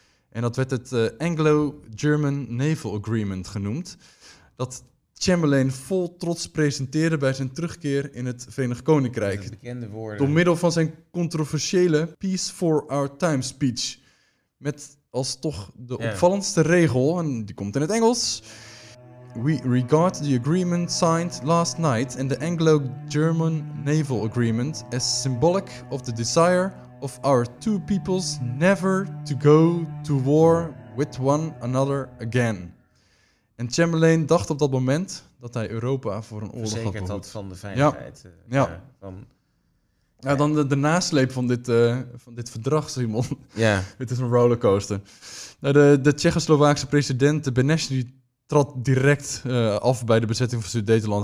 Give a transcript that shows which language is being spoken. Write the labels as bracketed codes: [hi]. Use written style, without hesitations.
[nl] En dat werd het Anglo-German Naval Agreement genoemd. Dat Chamberlain vol trots presenteerde bij zijn terugkeer in het Verenigd Koninkrijk. De bekende woorden. Door middel van zijn controversiële Peace for Our Time speech. Met als toch de opvallendste regel, en die komt in het Engels. [en] We regard the agreement signed last night and the Anglo-German Naval Agreement as symbolic of the desire of our two peoples never to go to war with one another again. [nl] En Chamberlain dacht op dat moment dat hij Europa voor een oorlog verzekerd had behoed. Verzekerd had van de veiligheid. Ja. Ja. Dan de nasleep van dit verdrag, Simon. Ja. Het is een rollercoaster. Nou, de Tsjechoslowaakse president, de Beneš, die trad direct af bij de bezetting van Sudetenland.